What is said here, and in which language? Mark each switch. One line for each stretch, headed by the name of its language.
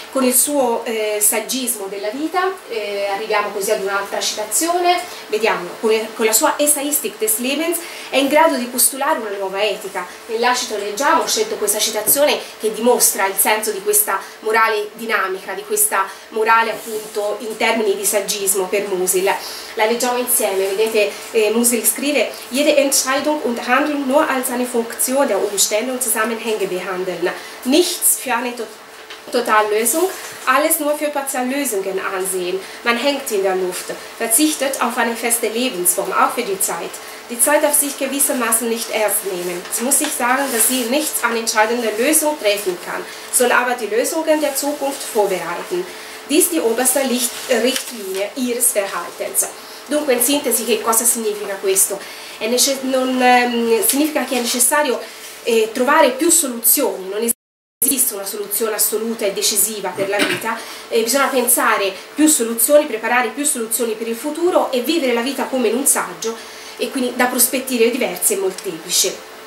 Italian: Con il suo saggismo della vita, arriviamo così ad un'altra citazione, vediamo, con la sua Essayistik des Lebens è in grado di postulare una nuova etica. Nell'Acito leggiamo, ho scelto questa citazione che dimostra il senso di questa morale dinamica, di questa morale appunto in termini di saggismo per Musil. La leggiamo insieme, vedete, Musil scrive:
German: jede Entscheidung und Handlung nur als eine Funktion der Umstände und Zusammenhänge behandeln. Nichts für eine Totallösung, alles nur für Partiallösungen ansehen. Man hängt in der Luft, verzichtet auf eine feste Lebensform, auch für die Zeit. Die Zeit darf sich gewissermaßen nicht ernst nehmen. Es muss sich sagen, dass sie nichts an entscheidender Lösung treffen kann, soll aber die Lösungen der Zukunft vorbereiten. Dies die oberste Richtlinie ihres Verhaltens.
Italian: Dunque, in sintesi, che cosa significa questo? Significa che è necessario trovare più soluzioni, non esiste una soluzione assoluta e decisiva per la vita, bisogna pensare più soluzioni, preparare più soluzioni per il futuro e vivere la vita come in un saggio e quindi da prospettive diverse e molteplici.